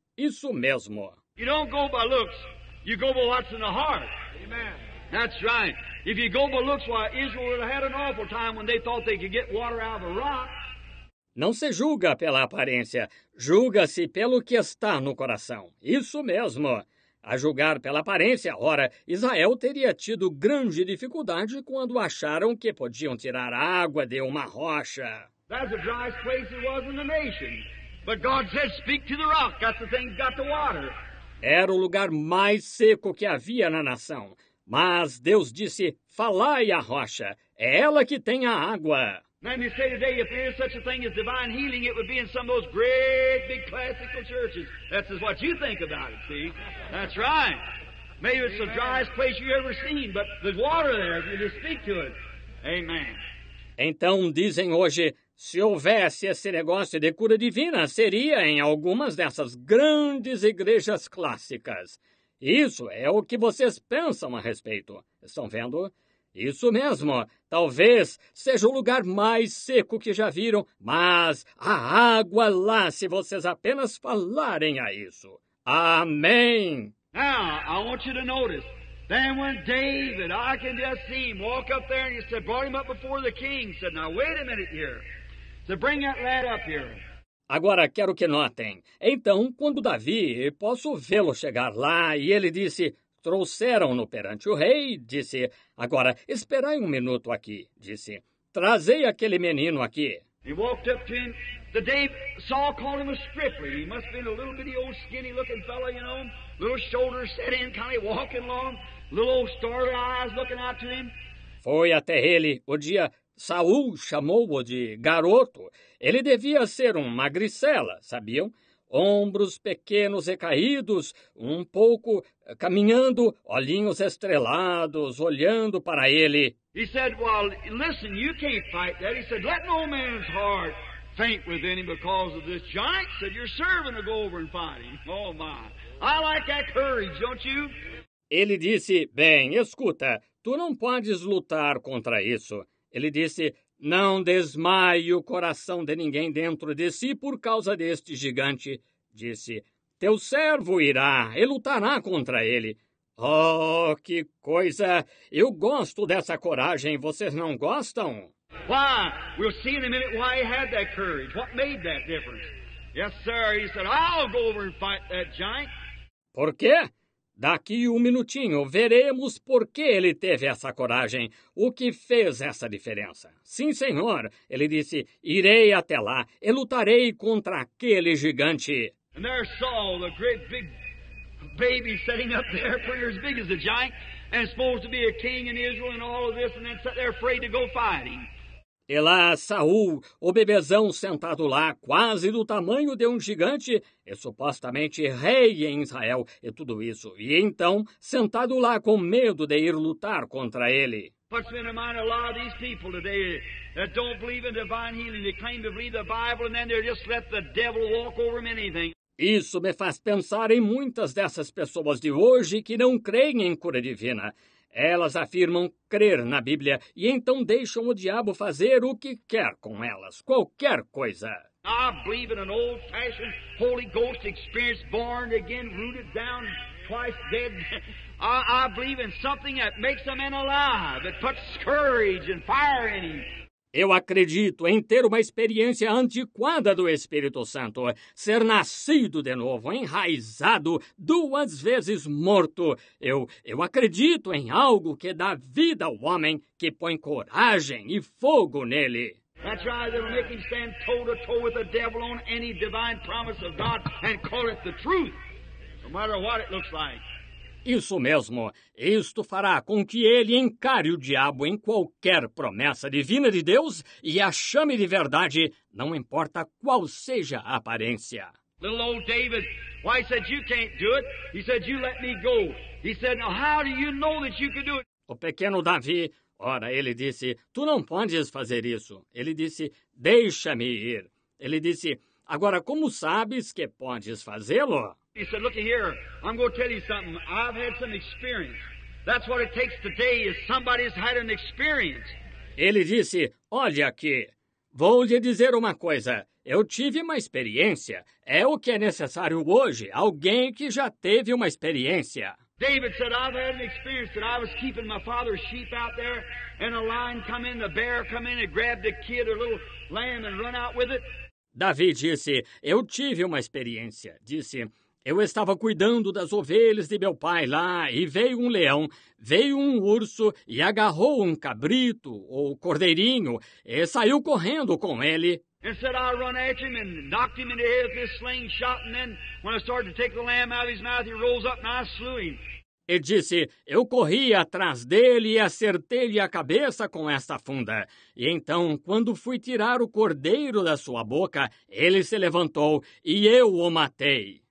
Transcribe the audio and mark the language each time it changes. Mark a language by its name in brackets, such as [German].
[Portuguese] Isso mesmo. [English] You don't go by looks. You go by what's in the heart." Amen. That's right. If you go by looks, why, Israel would have had an awful time when they thought they could get water out of a rock. [Portuguese] Não se julga pela aparência, julga-se pelo que está no coração. Isso mesmo. A julgar pela aparência, ora, Israel teria tido grande dificuldade quando acharam que podiam tirar água de uma rocha. [English] That's the driest place it was in the nation. But God says, "Speak to the rock." That's the thing that got the water. [Portuguese] Era o lugar mais seco que havia na nação. Mas Deus disse, "Falai à rocha, é ela que tem a água." [English] Let me say today, if there is such a thing as divine healing, it would be in some of those great big classical churches. That's what you think about it, see? That's right. Maybe it's Amen. The driest place you've ever seen, but there's water there if you just speak to it. Amen. [Portuguese] Então dizem hoje, se houvesse esse negócio de cura divina, seria em algumas dessas grandes igrejas clássicas. Isso é o que vocês pensam a respeito. Estão vendo? Isso mesmo. Talvez seja o lugar mais seco que já viram, mas há água lá se vocês apenas falarem a isso. Amém! [English] Now, I want you to notice. Then when David, I can just see him walk up there and he said, brought him up before the king. He said, "Now, wait a minute here. So bring that lad up here." [Portuguese] Agora, quero que notem. Então, quando Davi, posso vê-lo chegar lá, e ele disse, trouxeram-no perante o rei, disse, "Agora, esperai um minuto aqui," disse, "trazei aquele menino aqui." [English] He walked up to him. The day Saul called him a stripling. He must have been a little bitty old skinny looking fellow, you know, little shoulders set in, kind of walking along, little old starry eyes looking out to him. [Portuguese] Foi até ele o dia... Saul chamou-o de garoto. Ele devia ser um magricela, sabiam? ombros pequenos e caídos, um pouco caminhando, olhinhos estrelados, olhando para ele. [English] He said, well, listen, you can't fight that. He said, let no man's heart faint within him because of this giant. He said, your servant will go over and fight him. Oh, my. I like that courage, don't you? [Portuguese] Ele disse, bem, escuta, tu não podes lutar contra isso. Ele disse, não desmaie o coração de ninguém dentro de si por causa deste gigante. Disse, teu servo irá e lutará contra ele. Oh, que coisa! Eu gosto dessa coragem, vocês não gostam? [English] Why? We'll see in a minute why he had that courage. What made that difference? Yes, sir, he said, I'll go over and fight that giant. [Portuguese] Por quê? Daqui um minutinho, veremos por que ele teve essa coragem. O que fez essa diferença? Sim, senhor, ele disse, irei até lá e lutarei contra aquele gigante. [English] And there Saul, the great big baby sitting up there, pretty as big as a giant, and supposed to be a king in Israel and all of this, and then sat there afraid to go fight him. [Portuguese] E lá, Saul, o bebezão sentado lá, quase do tamanho de um gigante, e supostamente rei em Israel e tudo isso. E então, sentado lá com medo de ir lutar contra ele. [English] What's been in mind of a lot of these people today that don't believe in divine healing, they claim to believe the Bible, and then they just let the devil walk over them anything. [Portuguese] Isso me faz pensar em muitas dessas pessoas de hoje que não creem em cura divina. Elas afirmam crer na Bíblia e então deixam o diabo fazer o que quer com elas, qualquer coisa. [English] I believe in an old-fashioned Holy Ghost experience, born again, rooted down, twice dead. I believe in something that makes a man alive, that puts courage and fire in him. [Portuguese] Eu acredito em ter uma experiência antiquada do Espírito Santo, ser nascido de novo, enraizado, duas vezes morto. Eu acredito em algo que dá vida ao homem, que põe coragem e fogo nele. [English] That's right, it'll make him stand toe to toe with the devil on any divine promise of God and call it the truth, no matter what it looks like. [Portuguese] Isso mesmo. Isto fará com que ele encare o diabo em qualquer promessa divina de Deus e a chame de verdade, não importa qual seja a aparência. [English] Little old David, why he said you can't do it? He said you let me go. He said, now how do you know that you can do it? [Portuguese] O pequeno Davi, ora, ele disse, tu não podes fazer isso. Ele disse, deixa-me ir. Ele disse, agora como sabes que podes fazê-lo? [English] He said, look here, I'm going to tell you something. I've had some experience. That's what it takes today, is somebody's had an experience. [Portuguese] Ele disse, olha aqui, vou lhe dizer uma coisa. Eu tive uma experiência. É o que é necessário hoje, alguém que já teve uma experiência. [English] David said, I've had an experience that I was keeping my father's sheep out there, and a lion come in, the bear come in and grabbed a kid, a little lamb, and run out with it. [Portuguese] Davi disse, eu tive uma experiência. Disse, eu estava cuidando das ovelhas de meu pai lá, e veio um leão, veio um urso, e agarrou um cabrito, ou cordeirinho, e saiu correndo com ele. [English] And said, I run at him and knocked him in the head with his slingshot, and then when I started to take the lamb out of his mouth, he rose up and I slew him. [Portuguese] E disse, eu corri atrás dele e acertei-lhe a cabeça com esta funda. E então, quando fui tirar o cordeiro da sua boca, ele se levantou e eu o matei.